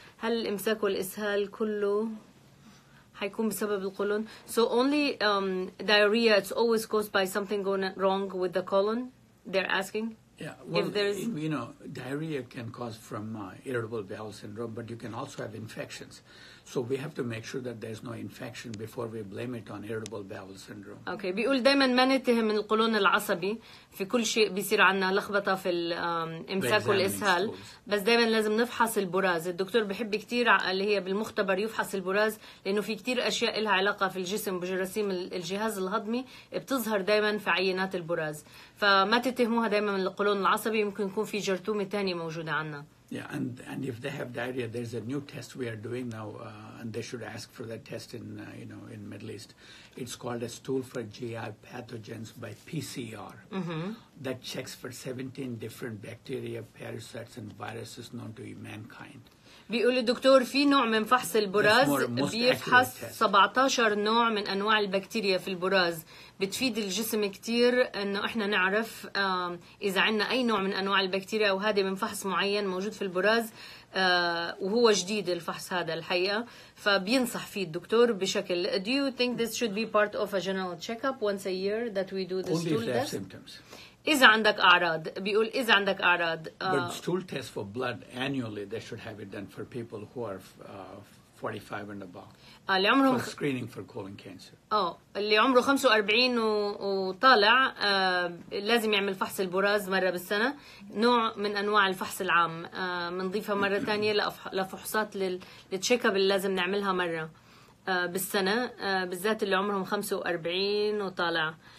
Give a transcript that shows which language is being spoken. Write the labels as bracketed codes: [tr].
[ar] هل الإمساك والإسهال كله هيكون بسبب القولون؟ [en] So only diarrhea, it's always caused by something going wrong with the colon, they're asking. Yeah, well, if there's, you know, diarrhea can cause from irritable bowel syndrome, but you can also have infections. So we have to make sure that there's no infection before we blame it on irritable bowel syndrome. [ar] Okay, بيقول دائما ما نتهم من القولون العصبي في كل شيء بيصير عنا لخبطة في الإمساك والإسهال, بس دائما لازم نفحص البراز. الدكتور بحب كتير اللي هي بالمختبر يفحص البراز, لأنه في كتير أشياء لها علاقة في الجسم بجراثيم الجهاز الهضمي بتظهر دائما في عينات البراز. فما تتهموها دائما من القولون العصبي, ممكن يكون في جرثومة تانية موجودة عنا. [en] Yeah, and if they have diarrhea, there's a new test we are doing now, and they should ask for that test in you know, in Middle East. It's called a stool for GI pathogens by PCR. Mm-hmm. That checks for 17 different bacteria, parasites, and viruses known to mankind. [ar] بيقول الدكتور في نوع من فحص البراز بيفحص 17 نوع من أنواع البكتيريا في البراز, بتفيد الجسم كتير أنه إحنا نعرف إذا عندنا أي نوع من أنواع البكتيريا, وهذا من فحص معين موجود في البراز وهو جديد الفحص هذا الحقيقة, فبينصح فيه الدكتور بشكل. [en] Do you think this should be part of a general checkup once a year that we do the stool test? [ar] إذا عندك أعراض. بيقول إذا عندك أعراض. [en] But stool test for blood annually, they should have it done for people who are 45 and above. [ar] اللي عمره [en] for screening for colon cancer. [ar] اللي عمره 45 وطالع لازم يعمل فحص البراز مرة بالسنة, نوع من أنواع الفحص العام. منضيفها مرة تانية لفحصات للتشيك اب اللي لازم نعملها مرة بالسنة, بالذات اللي عمرهم 45 وطالع.